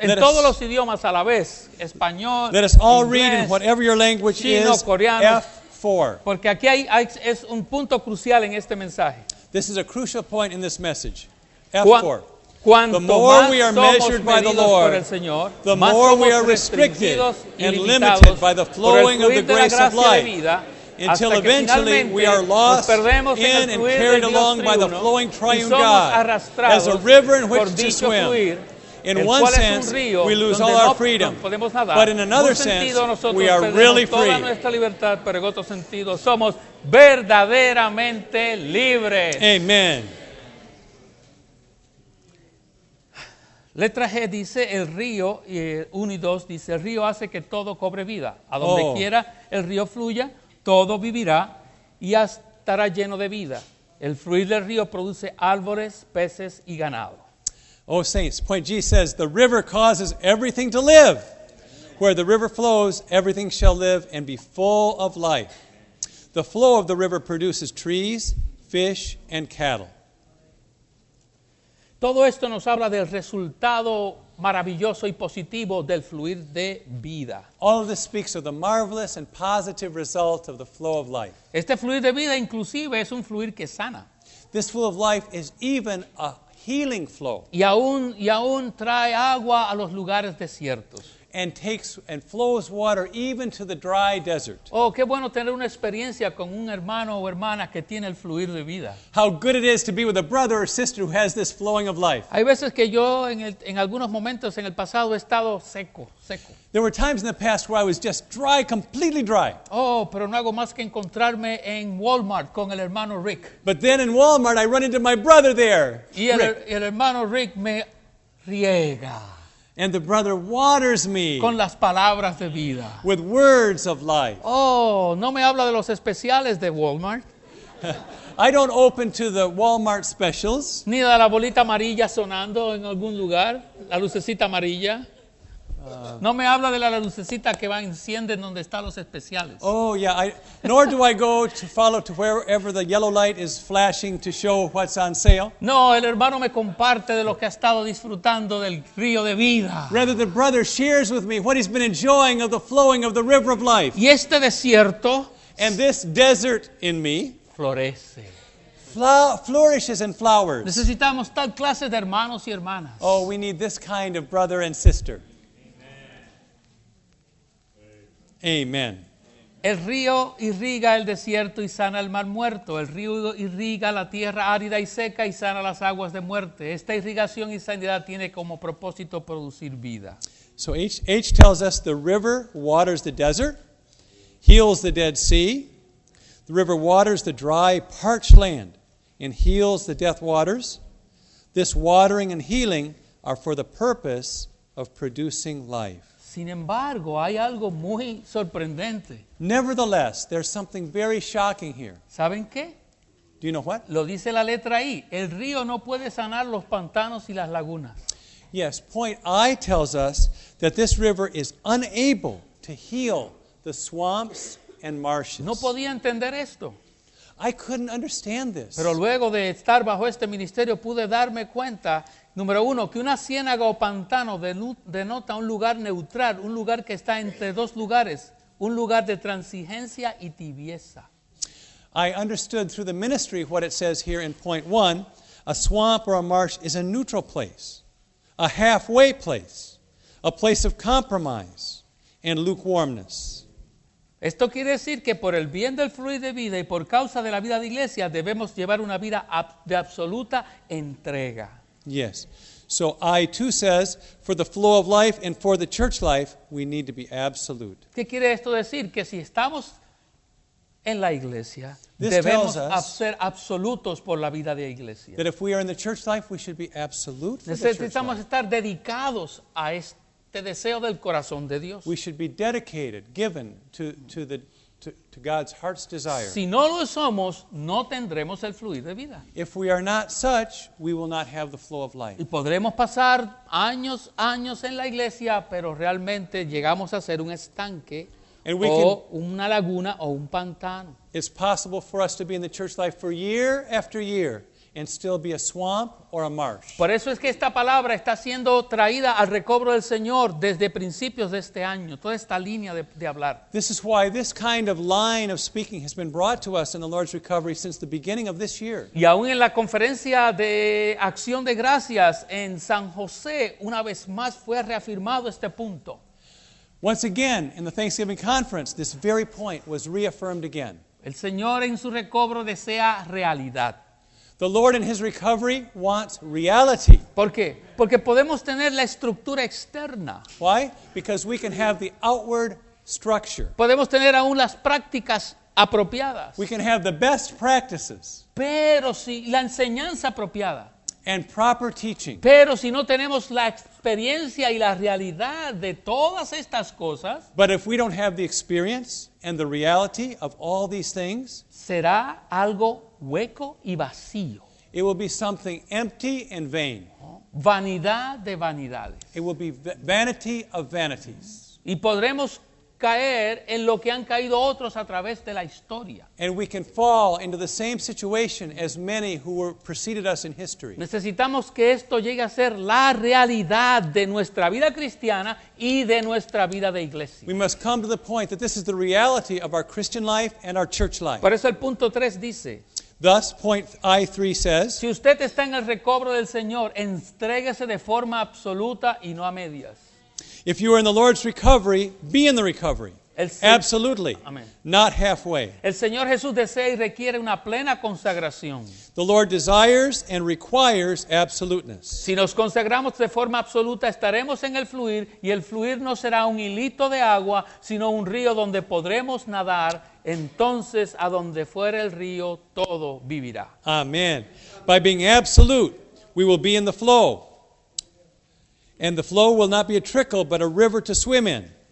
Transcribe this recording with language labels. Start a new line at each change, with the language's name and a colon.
Spanish: En todos los idiomas a la vez, español,
English: let us all read in whatever your language is,
Spanish: coreano, F4. Porque aquí hay es un punto crucial en este mensaje.
English: This is a crucial point in this message. F4. Cuanto the more we are measured by the Lord, Señor, the more we are restricted and limited by the flowing of the grace of life,
Spanish: vida,
English: until eventually we are lost in and carried along by the flowing triune God as a river in which to swim. In one sense, we lose all our freedom, but in another sense, we are really free.
Spanish: Libertad, pero en otro sentido, somos verdaderamente libres. Amen. Letra G dice el río, 1 y 2 dice el río hace que todo cobre vida. A donde quiera el río fluya, todo vivirá y estará lleno de vida. El fluir del río produce árboles, peces y ganado.
English: Oh, saints, point G says, the river causes everything to live. Where the river flows, everything shall live and be full of life. The flow of the river produces trees, fish and cattle.
Spanish: Todo esto nos habla del resultado maravilloso y positivo del fluir de vida.
English: All of this speaks of the marvelous and positive result of the flow of life.
Spanish: Este fluir de vida inclusive es un fluir que sana.
English: This flow of life is even a healing flow.
Spanish: Y aún trae agua a los lugares desiertos.
English: and takes and flows water even to the dry desert.
Spanish: Oh, qué bueno tener una experiencia con un hermano o hermana que tiene el fluir de vida.
English: How good it is to be with a brother or sister who has this flowing of life.
Spanish: Hay veces que yo en algunos momentos en el pasado he estado seco.
English: There were times in the past where I was just dry, completely dry.
Spanish: Oh, pero no hago más que encontrarme en Walmart con el hermano Rick.
English: But then in Walmart I run into my brother there.
Spanish: Y el hermano Rick me riega.
English: And the brother waters me
Spanish: con las palabras de vida.
English: With words of life.
Spanish: Oh, no me habla de los especiales de Walmart.
English: I don't open to the Walmart specials.
Spanish: Ni de la bolita amarilla sonando en algún lugar, la lucecita amarilla. No me habla de la lucecita que va enciende donde están los especiales.
English: Oh, yeah. Nor do I go to follow to wherever the yellow light is flashing to show what's on sale.
Spanish: No, el hermano me comparte de lo que ha estado disfrutando del río de vida.
English: Rather, the brother shares with me what he's been enjoying of the flowing of the river of life.
Spanish: Y este desierto.
English: And this desert in me.
Spanish: Florece.
English: Flourishes and flowers.
Spanish: Necesitamos tal clase de hermanos y hermanas.
English: Oh, we need this kind of brother and sister. Amen.
Spanish: El río irriga el desierto y sana el mar muerto. El río irriga la tierra árida y seca y sana las aguas de muerte. Esta irrigación y sanidad tiene como propósito producir vida.
English: So H tells us the river waters the desert, heals the Dead Sea. The river waters the dry, parched land and heals the Death Waters. This watering and healing are for the purpose of producing life.
Spanish: Sin embargo, hay algo muy sorprendente.
English: Nevertheless, there's something very shocking here.
Spanish: ¿Saben qué?
English: Do you know what?
Spanish: Lo dice la letra I. El río no puede sanar los pantanos y las lagunas.
English: Yes, point I tells us that this river is unable to heal the swamps and marshes.
Spanish: No podía entender esto.
English: I couldn't understand this.
Spanish: Pero luego de estar bajo este ministerio pude darme cuenta, número uno, que una ciénaga o pantano denota un lugar neutral, un lugar que está entre dos lugares, un lugar de transigencia y tibieza.
English: I understood through the ministry what it says here in point one, a swamp or a marsh is a neutral place, a halfway place, a place of compromise and lukewarmness.
Spanish: Esto quiere decir que por el bien del fluir de vida y por causa de la vida de iglesia debemos llevar una vida de absoluta entrega.
English: Yes. So I too says, for the flow of life and for the church life, we need to be absolute.
Spanish: ¿Qué quiere esto decir? Que si estamos en la iglesia, this debemos ser absolutos por la vida de la iglesia.
English: That if we are in the church life, we should be absolute for the church life.
Spanish: Necesitamos estar dedicados a esto. Te deseo del corazón de Dios.
English: We should be dedicated, given to God's heart's desire.
Spanish: Si no lo somos, no tendremos el fluir de vida.
English: If we are not such, we will not have the flow of life.
Spanish: Y podremos pasar años en la iglesia, pero realmente llegamos a ser un estanque una laguna o un pantano.
English: It's possible for us to be in the church life for year after year and still be a swamp or a marsh.
Spanish: Por eso es que esta palabra está siendo traída al recobro del Señor desde principios de este año, toda esta línea de hablar.
English: This is why this kind of line of speaking has been brought to us in the Lord's Recovery since the beginning of this year.
Spanish: Y aún en la conferencia de Acción de Gracias en San José, una vez más fue reafirmado este punto.
English: Once again, in the Thanksgiving Conference, this very point was reaffirmed again.
Spanish: El Señor en su recobro desea realidad.
English: The Lord in His recovery wants reality.
Spanish: ¿Por qué? Porque podemos tener la estructura externa.
English: Why? Because we can have the outward structure.
Spanish: Podemos tener aún las prácticas apropiadas.
English: We can have the best practices.
Spanish: Pero si la enseñanza apropiada.
English: And proper teaching.
Spanish: Pero si no tenemos la experiencia y la realidad de todas estas cosas.
English: But if we don't have the experience and the reality of all these things.
Spanish: Será algo hueco y vacío.
English: It will be something empty and vain.
Spanish: Vanidad de vanidades.
English: It will be vanity of vanities.
Spanish: Y podremos caer en lo que han caído otros a través de la historia.
English: And we can fall into the same situation as many who were preceded us in history.
Spanish: Necesitamos que esto llegue a ser la realidad de nuestra vida cristiana y de nuestra vida de iglesia.
English: We must come to the point that this is the reality of our Christian life and our church life.
Spanish: Por eso el punto 3 dice.
English: Thus, point I3 says,
Spanish: si usted está en el recobro del Señor, entréguese de forma absoluta y no a medias.
English: If you are in the Lord's recovery, be in the recovery. Absolutely. Amen. Not halfway.
Spanish: El Señor Jesús desea y requiere una plena consagración.
English: The Lord desires and requires absoluteness.
Spanish: Si nos consagramos de forma absoluta, estaremos en el fluir, y el fluir no será un hilito de agua, sino un río donde podremos nadar. Entonces, a donde fuere el río, todo vivirá. Amen.
English: By being absolute, we will be in the flow. And the flow will not be a trickle, but a river to swim in.